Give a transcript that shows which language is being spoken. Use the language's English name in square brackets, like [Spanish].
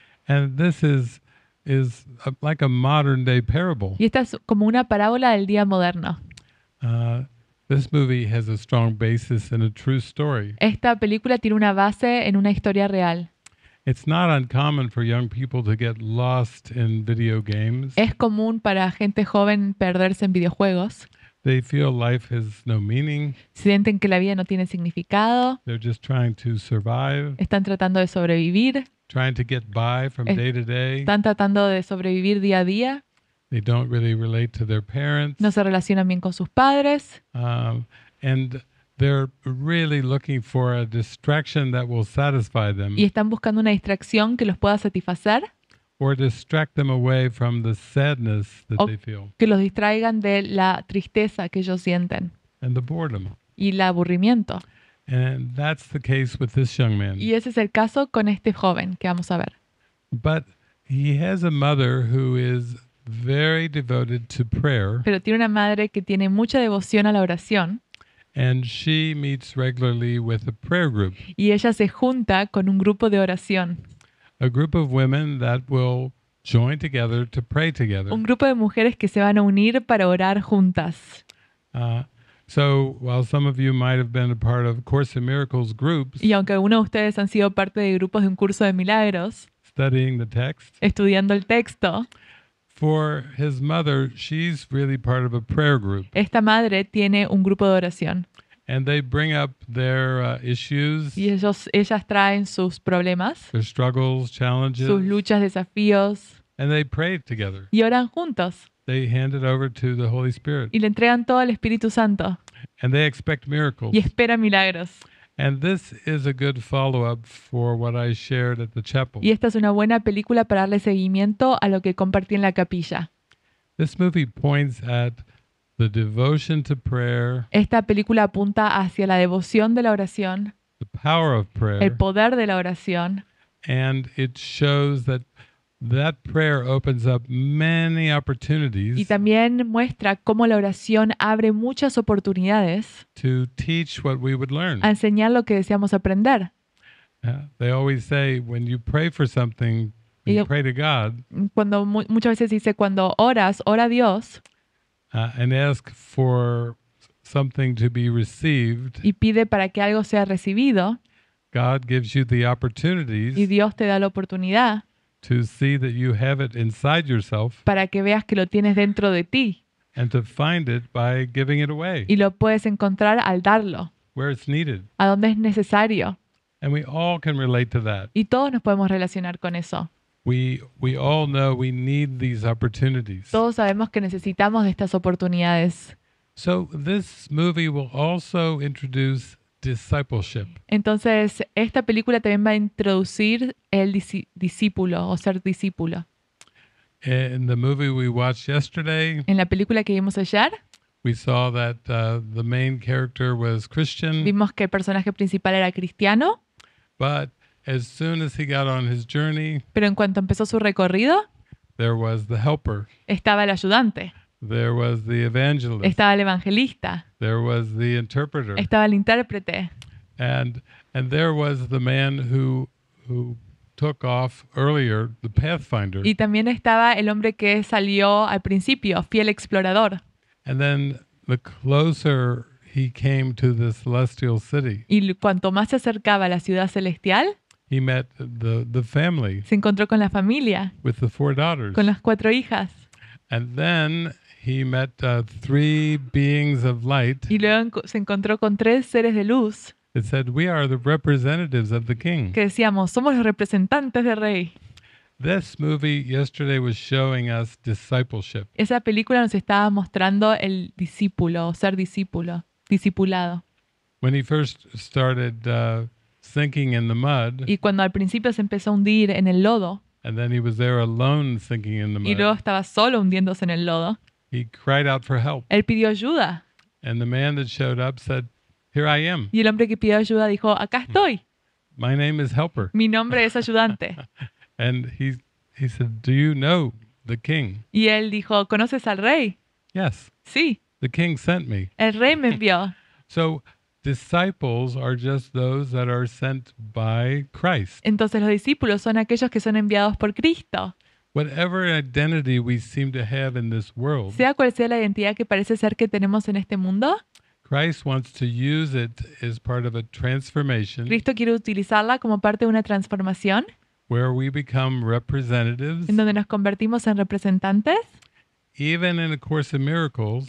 [English] And this is like a modern day parable. [Spanish] Y esta es como una parábola del día moderno. [English] This movie has a strong basis in a true story. [Spanish] Esta película tiene una base en una historia real. [English] It's not uncommon for young people to get lost in video games. [Spanish] Es común para gente joven perderse en videojuegos. [English] They feel life has no meaning. [Spanish] Sienten que la vida no tiene significado. [English] They're just trying to survive. [Spanish] Están tratando de sobrevivir. [English] Trying to get by from day to day. [Spanish] Están tratando de sobrevivir día a día. [English] They don't really relate to their parents. [Spanish] No se relacionan bien con sus padres. [English] And they're really looking for a distraction that will satisfy them. [Spanish] Y están buscando una distracción que los pueda satisfacer. [English] Or distract them away from the sadness that they feel. [Spanish] Que los distraigan de la tristeza que ellos sienten. [English] And the boredom. [Spanish] Y el aburrimiento. [English] And that's the case with this young man. [Spanish] Y ese es el caso con este joven que vamos a ver. [English] But he has a mother who is very devoted to prayer. [Spanish] Pero tiene una madre que tiene mucha devoción a la oración. [English] And she meets regularly with a prayer group. [Spanish] Y ella se junta con un grupo de oración. [English] A group of women that will join together to pray together. [Spanish] Un grupo de mujeres que se van a unir para orar juntas. [English] So while some of you might have been a part of Course in Miracles groups, [Spanish] y aunque algunos de ustedes han sido parte de grupos de un curso de milagros, [English] studying the text, [Spanish] estudiando el texto, [English] for his mother, she's really part of a prayer group. [Spanish] Esta madre tiene un grupo de oración. [English] And they bring up their issues. [Spanish] Y ellas traen sus problemas. [English] Their struggles, challenges. [Spanish] Sus luchas, desafíos. [English] And they pray together. [Spanish] Y oran juntos. [English] They hand it over to the Holy Spirit. [Spanish] Y le entregan todo al Espíritu Santo. [English] And they expect miracles. [Spanish] Y esperan milagros. [English] And this is a good follow-up for what I shared at the chapel. [Spanish] Y esta es una buena película para darle seguimiento a lo que compartí en la capilla. [English] This movie points at the devotion to prayer. [Spanish] Esta película apunta hacia la devoción de la oración. [English] The power of prayer. [Spanish] El poder de la oración. [English] And it shows that that prayer opens up many opportunities. [Spanish] Y también muestra cómo la oración abre muchas oportunidades. [English] To teach what we would learn. [Spanish] A enseñar lo que deseamos aprender. [English] They always say when you pray for something, you pray to God. [Spanish] Cuando muchas veces dice cuando oras, ora a Dios. [English] And ask for something to be received. [Spanish] Y pide para que algo sea recibido. [English] God gives you the opportunities. [Spanish] Y Dios te da la oportunidad. [English] To see that you have it inside yourself. [Spanish] Para que veas que lo tienes dentro de ti. [English] And to find it by giving it away. [Spanish] Y lo puedes encontrar al darlo. [English] Where it's needed. [Spanish] A donde es necesario. [English] And we all can relate to that. [Spanish] Y todos nos podemos relacionar con eso. [English] We all know we need these opportunities. [Spanish] Todos sabemos que necesitamos de estas oportunidades. [English] So this movie will also introduce discipleship. [Spanish] Entonces, esta película también va a introducir el discípulo o ser discípulo. [English] In the movie we watched yesterday, [Spanish] en la película que vimos ayer, [English] we saw that the main character was Christian. [Spanish] Vimos que el personaje principal era cristiano. [English] But as soon as he got on his journey, [Spanish] pero en cuanto empezó su recorrido, [English] there was the helper. [Spanish] Estaba el ayudante. [English] There was the evangelist. [Spanish] Estaba el evangelista. [English] There was the interpreter. [Spanish] Estaba el intérprete. [English] And there was the man who took off earlier, the pathfinder. [Spanish] Y también estaba el hombre que salió al principio, fiel explorador. [English] And then the closer he came to the celestial city. [Spanish] Y cuanto más se acercaba a la ciudad celestial, [English] he met the family. [Spanish] Se encontró con la familia. [English] With the four daughters. [Spanish] Con las cuatro hijas. [English] And then he met three beings of light. [Spanish] Y luego se encontró con tres seres de luz. [English] It said, "We are the representatives of the king." [Spanish] Que decíamos, somos los representantes del rey. [English] This movie yesterday was showing us discipleship. [Spanish] Esa película nos estaba mostrando el discípulo, ser discípulo, discipulado. [English] When he first started sinking in the mud. [Spanish] Y cuando al principio se empezó a hundir en el lodo. [English] And then he was there alone sinking in the mud. [Spanish] Y luego estaba solo hundiéndose en el lodo. [English] He cried out for help. [Spanish] Él pidió ayuda. [English] And the man that showed up said, "Here I am." [Spanish] Y el hombre que pidió ayuda dijo, "Acá estoy." [English] "My name is helper." [Spanish] Mi nombre es ayudante. [English] And he said, "Do you know the king?" [Spanish] Y él dijo, "¿Conoces al rey?" [English] "Yes." [Spanish] "Sí." [English] "The king sent me." [Spanish] El rey me envió. [English] So disciples are just those that are sent by Christ. [Spanish] Entonces los discípulos son aquellos que son enviados por Cristo. [English] Whatever identity we seem to have in this world, [Spanish] sea cual sea la identidad que parece ser que tenemos en este mundo, [English] Christ wants to use it as part of a transformation. [Spanish] Cristo quiere utilizarla como parte de una transformación. [English] Where we become representatives. [Spanish] En donde nos convertimos en representantes. [English] Even in a course of miracles,